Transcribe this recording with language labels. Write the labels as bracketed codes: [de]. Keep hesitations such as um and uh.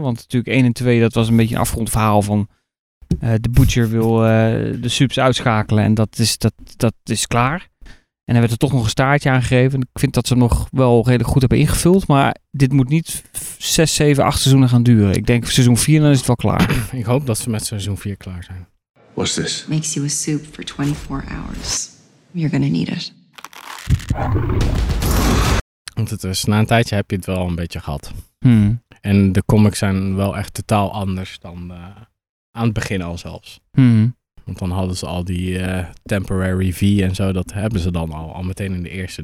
[nl] Want natuurlijk 1 en 2, dat was een beetje een afgrondverhaal van uh, de butcher wil uh, de subs uitschakelen en dat is, dat, dat is klaar. En dan werd er toch nog een staartje aangegeven. Ik vind dat ze nog wel redelijk goed hebben ingevuld. Maar dit moet niet 6, 7, 8 seizoenen gaan duren. Ik denk seizoen 4 dan is het wel klaar. Ik hoop dat ze met seizoen 4 klaar zijn. [en] What's this? Makes you a soup for 24 hours. You're gonna need it. [nl] Want het was, na een tijdje heb je het wel een beetje gehad. Hmm. En de comics zijn wel echt totaal anders dan uh, aan het begin al zelfs. Hmm. Want dan hadden ze al die uh, temporary V en zo, dat hebben ze dan al, al meteen in de eerste.